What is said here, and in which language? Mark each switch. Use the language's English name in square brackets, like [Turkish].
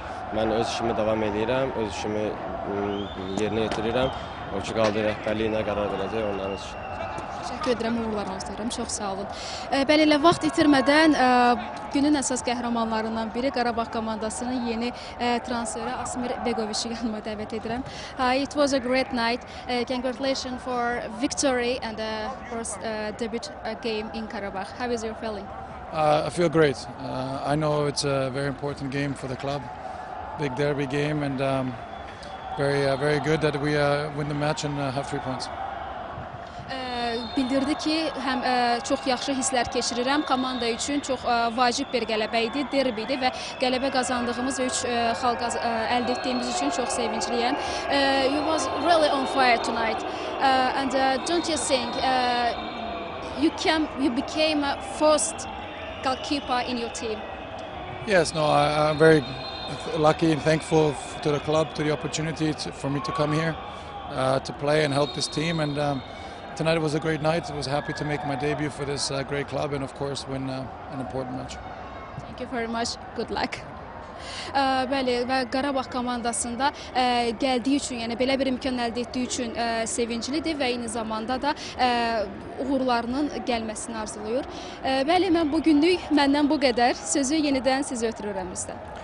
[Azerbaijani] Mən öz işimi davam edirəm, öz işimi yerinə yetirirəm. O ki, qaldı rəhbərliyinə qərar verəcək onların üçün. Təşəkkür edirəm, uğurlar arzulayıram, çox sağ olun. Bəli, elə vaxt itirmədən günün əsas qəhrəmanlarından biri Qarabağ komandasının yeni transferi Asmir Begoviçi yanıma dəvət edirəm. [English] It was a great night. Congratulations for victory and the first debut game in Qarabağ. How is your feeling? I feel great. I know it's a very important game for the club. Big derby game and very good that we win the match and have 3 points. [Azerbaijani] Bildirdi ki, həm çox yaxşı hisslər keçirirəm, komanda üçün çox vacib bir qələbə idi, derbi idi və qələbə qazandığımız və 3 xal əldə etdiyimiz üçün çox sevincliyəm. [English] You was really on fire tonight and don't you think you became a first goalkeeper in your team? Yes, no, I'm very lucky and thankful to the club, to the opportunity for me to come here to play and help this team. And tonight was a great night. I was happy to make my debut for this great club and of course win an important match. Thank you very much. Good luck. [Azerbaijani] Bəli, və Qarabağ komandasında gəldiyi üçün, yəni belə bir imkan əldə etdiyi üçün sevincilidir və eyni zamanda da uğurlarının gəlməsini arzulayır. Bəli, mən bugünlük məndən bu qədər. Sözü yenidən sizə ötürürəm üstə.